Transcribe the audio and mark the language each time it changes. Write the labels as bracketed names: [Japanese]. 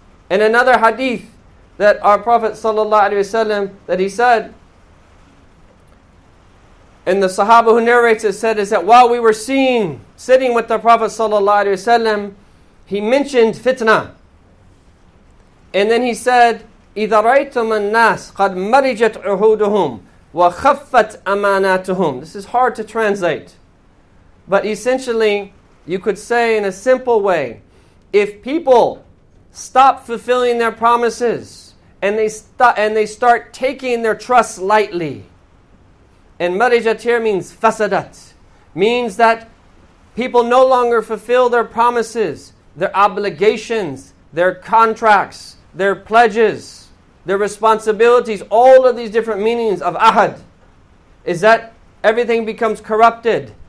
[English] And another hadith that our Prophet sallallahu alaihi wasallam that he said, and the Sahaba who narrates it said, is that while we were sitting with the Prophet ﷺ, he mentioned fitna. [Arabic] And then he said, إِذَا رَيْتُمَ النَّاسِ قَدْ مَرِجَتْ عُهُودُهُمْ وَخَفَّتْ أَمَانَاتُهُمْ. [English] This is hard to translate. But essentially, you could say in a simple way if people stop fulfilling their promises and they start taking their trust lightly, and marijatir means fasadat, means that people no longer fulfill their promises, their obligations, their contracts, their pledges, their responsibilities, all of these different meanings of ahad, is that everything becomes corrupted.